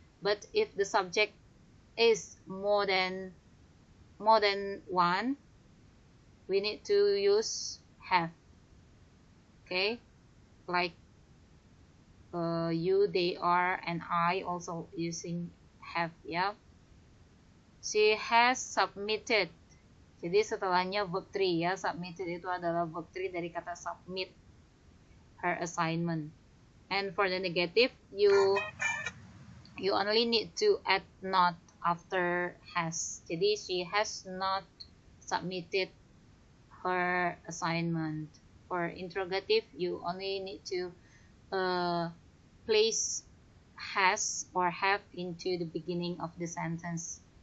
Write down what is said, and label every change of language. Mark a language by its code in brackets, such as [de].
[en] But if the subject is more than one, we need to use have. Okay, like you, they, are, and I also using have. Yeah, she has submitted. [id] Jadi setelahnya verb 3, ya, submitted itu adalah verb 3 dari kata [en] submit her assignment. And for the negative, you only need to add not after has. Jadi she has not submitted her assignment. For interrogative, you only need to place has or have into the beginning of the sentence.